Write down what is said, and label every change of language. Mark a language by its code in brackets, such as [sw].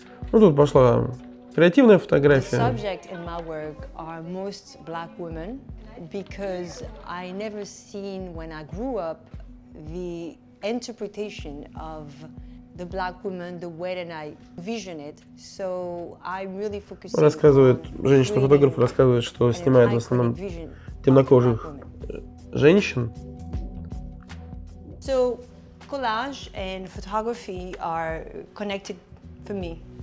[ru] Ну, тут пошла креативная фотография. [en] Subject in my work are most black women because I never seen when I grew up the interpretation of the black woman the way that I vision it. So I'm really focusing. [ru] Рассказывает женщина-фотограф, рассказывает, что снимает в основном темнокожих женщин. [en] So collage and photography are connected for me.